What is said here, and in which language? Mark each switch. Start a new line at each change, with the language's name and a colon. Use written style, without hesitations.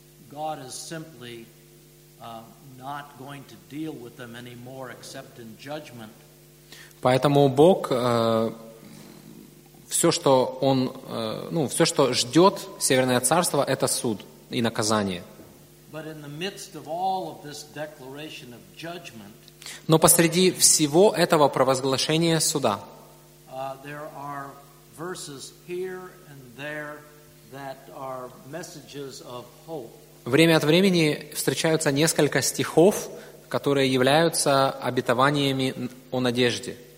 English: God is simply not going to deal with them anymore except in judgment.
Russian: Поэтому Бог все, что он, ну, все, что ждет Северное царство, это суд и наказание.
English: But in the midst of all of this declaration of judgment,
Russian: но посреди всего этого провозглашения суда,
English: there are verses here and there that are messages of hope.
Russian: Время от времени встречаются несколько стихов, которые являются обетованиями о надежде.